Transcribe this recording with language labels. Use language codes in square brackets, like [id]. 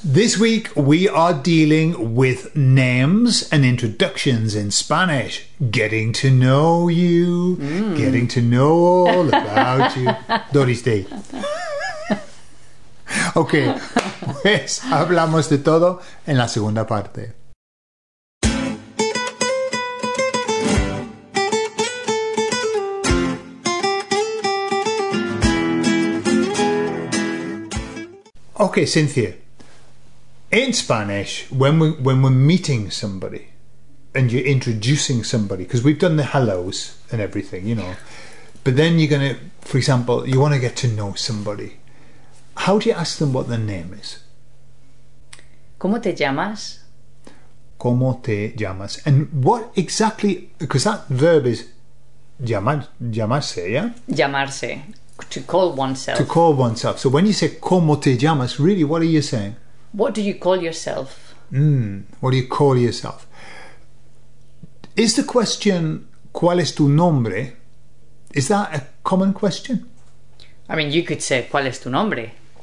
[en] This week we are dealing with names and introductions in Spanish. Getting to know you. Getting to know all about you. Doris Day. [es] Ok, pues hablamos de todo en la segunda parte. [en] Ok, Cynthia, in Spanish, when we're meeting somebody and you're introducing somebody, because we've done the hellos and everything, you know, but then you're going to, for example, you want to get to know somebody. How do you ask them what their name is? [es] ¿Cómo te llamas? ¿Cómo te llamas? [en] And what exactly, because that verb is llamarse, yeah? Llamarse. To call oneself. To call oneself. So when you say [es] ¿cómo te llamas? [en] Really, what are you saying? What do you call yourself? What do you call yourself? Is the question [es] ¿cuál es tu nombre? [en] Is that a common question? I mean, you could say [es] ¿cuál es tu nombre?